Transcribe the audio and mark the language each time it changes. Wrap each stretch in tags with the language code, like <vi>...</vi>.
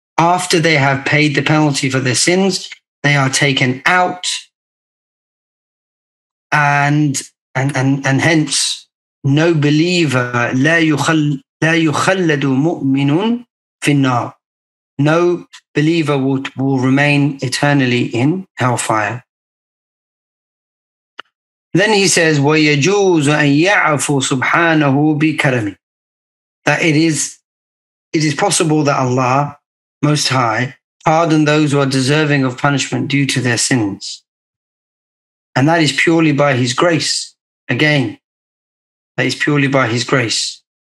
<en>After they have paid the penalty for their sins, they are taken out, and hence no believer,</en> <ar>لا يخلد مؤمنون في النار.</ar> <en>No believer will remain eternally in hellfire. Then he says,</en> <ar>وَيَجُوزُ أَن يَعْفُ سُبْحَانَهُ بِكَرَمِ.</ar> <en>That it is possible that Allah, Most High, pardon those who are deserving of punishment due to their sins. And that is purely by his grace. Again, that is purely by his grace.</en>